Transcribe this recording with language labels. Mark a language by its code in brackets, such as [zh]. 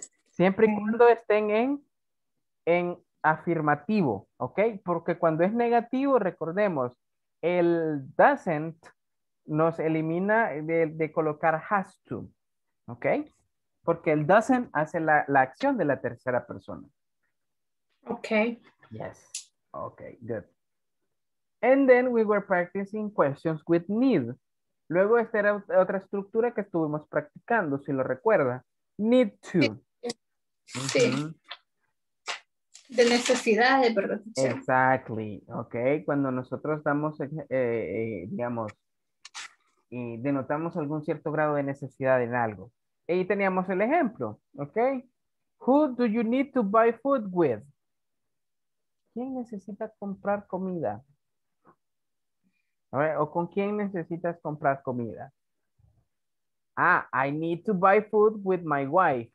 [es] Siempre y cuando estén en afirmativo, okay? Porque cuando es negativo, recordemos, el doesn't nos elimina de colocar has to, ¿ok? Porque el doesn't hace la acción de la tercera persona. Ok. [en] Yes. Ok, good. And then we were practicing questions with need. [es] Luego esta era otra estructura que estuvimos practicando, si lo recuerda. [en] Need to. [es] Sí. De necesidad, de producción. [en] Exactly. [es] Ok, cuando nosotros damos, digamos, y denotamos algún cierto grado de necesidad en algo. Ahí teníamos el ejemplo, ¿ok? [en] Who do you need to buy food with? [es] ¿Quién necesita comprar comida? ¿Okay? ¿O con quién necesitas comprar comida? [en] Ah, I need to buy food with my wife.